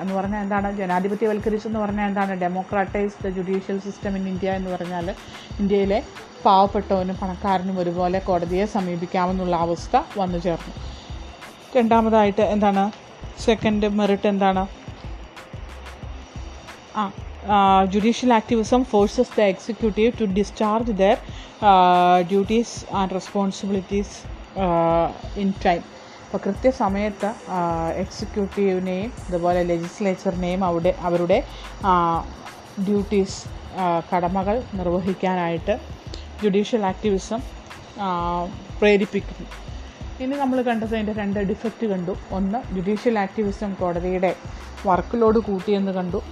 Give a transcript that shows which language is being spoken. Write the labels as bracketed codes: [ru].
[ml] എന്ന് പറഞ്ഞാൽ എന്താണ് ജനാധിപത്യവൽക്കരിച്ചു എന്ന് പറഞ്ഞാൽ എന്താണ്? [en] democratize the judicial system in India [ml] എന്ന് പറഞ്ഞാൽ ഇന്ത്യയിലെ പാവപ്പെട്ടവനും പണക്കാരനും ഒരുപോലെ കോടതിയെ സമീപിക്കാമെന്നുള്ള അവസ്ഥ വന്നു ചേർന്നു. രണ്ടാമതായിട്ട് എന്താണ് സെക്കൻഡ് മെറിറ്റ് എന്താണ്? [en] judicial activism forces the executive to discharge their duties and responsibilities in time. [ml] അപ്പോൾ കൃത്യസമയത്ത് എക്സിക്യൂട്ടീവിനെയും അതുപോലെ ലെജിസ്ലേച്ചറിനെയും അവരുടെ ഡ്യൂട്ടീസ് കടമകൾ നിർവഹിക്കാനായിട്ട് ജുഡീഷ്യൽ ആക്ടിവിസം പ്രേരിപ്പിക്കുന്നു. ഇനി നമ്മൾ കണ്ടത് അതിൻ്റെ രണ്ട് ഡിഫക്റ്റ് കണ്ടു. ഒന്ന്, ജുഡീഷ്യൽ ആക്ടിവിസം കോടതിയുടെ വർക്ക് ലോഡ് കൂട്ടിയെന്ന് കണ്ടു.